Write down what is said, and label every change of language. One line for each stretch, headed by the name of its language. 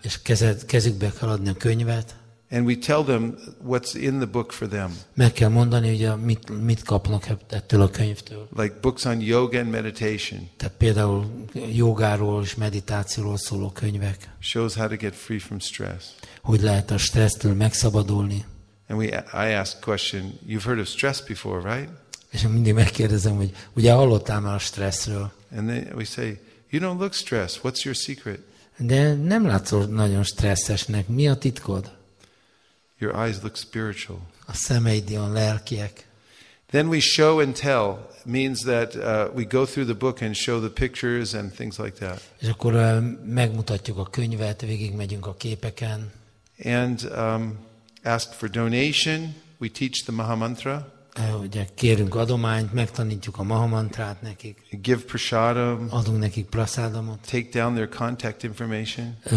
Hungarian: És kezükbe kell adni a könyvet.
English: And we tell them what's in the book for them.
Hungarian: Meg kell mondani, hogy mit kapnak ettől a könyvtől.
English: Like books on yoga and meditation.
Hungarian: Tehát például jogáról és meditációról szóló könyvek.
English: Shows how to get free from stress.
Hungarian: Hogy lehet a stressztől megszabadulni.
English: And I ask question, you've heard of stress before, right?
Hungarian: És mindig megkérdezem, hogy ugye hallottál már a stresszről?
English: And then we say, you don't look stressed. What's your secret?
Hungarian: De nem látszol nagyon stresszesnek. Mi a titkod?
English: Your eyes look spiritual.
Hungarian: A szemeid olyan lelkiek.
English: Then we show and tell means that we go through the book and show the pictures and things like that.
Hungarian: És akkor megmutatjuk a könyvet, végig megyünk a képeken.
English: And ask for donation. We teach the Mahamantra.
Hungarian: Ugye kérünk adományt, megtanítjuk a Mahamantrát nekik.
English: Give prasadam.
Hungarian: Adunk nekik prasadamot.
English: Take down their contact information.